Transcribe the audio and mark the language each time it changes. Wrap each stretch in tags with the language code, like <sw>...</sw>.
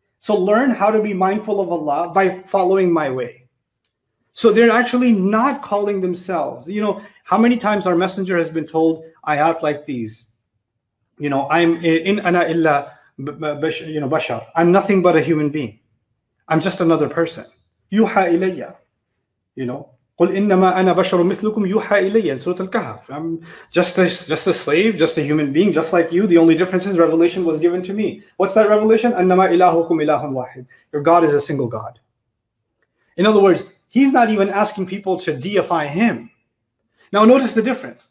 <en>So learn how to be mindful of Allah by following my way. So they're actually not calling themselves. You know, how many times our messenger has been told ayat like these? You know, I'm in</en> <ar>ana illa bashar.</ar> <en>I'm nothing but a human being. I'm just another person.</en> <ar>Yuha ilayya.</ar> <en>You know,</en> <ar>قُلْ إِنَّمَا أَنَا بَشَرٌ مِثْلُكُمْ يُوحَى إِلَيَّ</ar> <en>in Surah Al-Kahf. I'm just a slave, just a human being, just like you. The only difference is revelation was given to me. What's that revelation?</en> <ar>أَنَّمَا إِلَهُكُمْ إِلَهٌ وَاحِدٌ</ar> <en>Your God is a single God. In other words, he's not even asking people to deify him. Now notice the difference.</en>